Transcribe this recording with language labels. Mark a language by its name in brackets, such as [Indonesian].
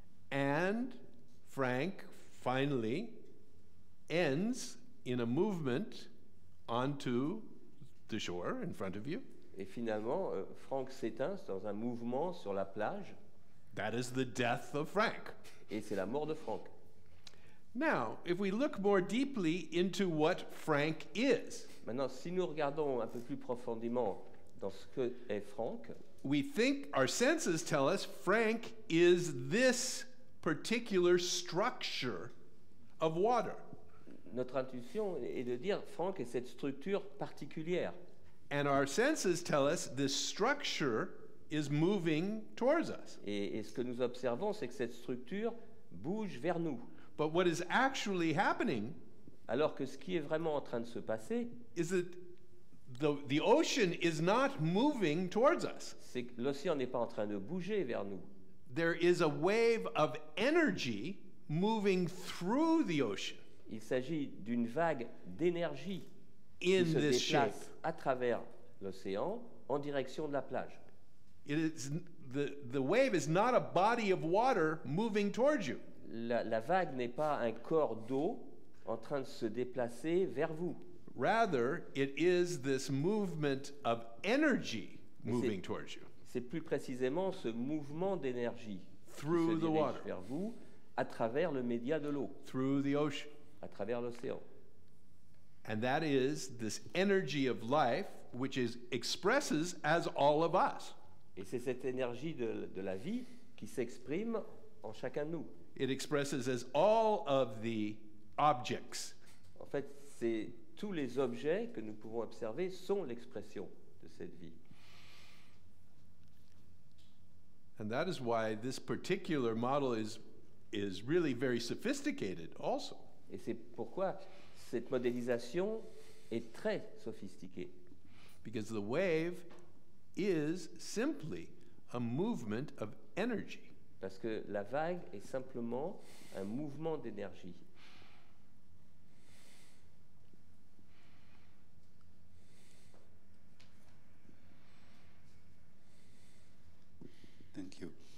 [English] And Frank finally ends in a movement onto the shore in front of you. [French] Et finalement, Frank s'éteint dans un mouvement sur la plage. [English] That is the death of Frank. [French] Et c'est la mort de Frank. [English] Now, if we look more deeply into what Frank is, [French] maintenant, si nous regardons un peu plus profondément dans ce que est Frank, [English] we think our senses tell us Frank is this particular structure of water. [French] Notre intuition est de dire Frank est cette structure particulière. [English] And our senses tell us this structure is moving towards us. [French] Et ce que nous observons, c'est que cette structure bouge vers nous. [English] But what is actually happening, [French] alors que ce qui est vraiment en train de se passer, [English] is that the ocean is not moving towards us. [French] C'est que l'océan n'est pas en train de bouger vers nous. [English] There is a wave of energy moving through the ocean. [French] Il s'agit d'une vague d'énergie [English] in [French] qui se [English] this [French] déplace [English] shape. [French] À travers l'océan en direction de la plage. [English] It is the wave is not a body of water moving towards you. [French] La vague n'est pas un corps d'eau en train de se déplacer vers vous. [English] Rather, it is this movement of energy moving towards you. [French] C'est plus précisément ce mouvement d'énergie [English] through [French] qui se dirige [English] the water. [French] Vers vous à travers le média de l'eau. [English] Through the ocean. [French] À travers l'océan. [English] And that is this energy of life which is expresses as all of us. [French] Et c'est cette énergie de la vie qui s'exprime en chacun de nous. [English] It expresses as all of the objects. [French] En fait, c'est tous les objets que nous pouvons observer sont l'expression de cette vie. [English] And that is why this particular model is really very sophisticated also. [French] Et c'est pourquoi cette modélisation est très sophistiquée. [English] Because the wave is simply a movement of energy. [French] Parce que la vague est simplement un mouvement d'énergie. [English] Thank you.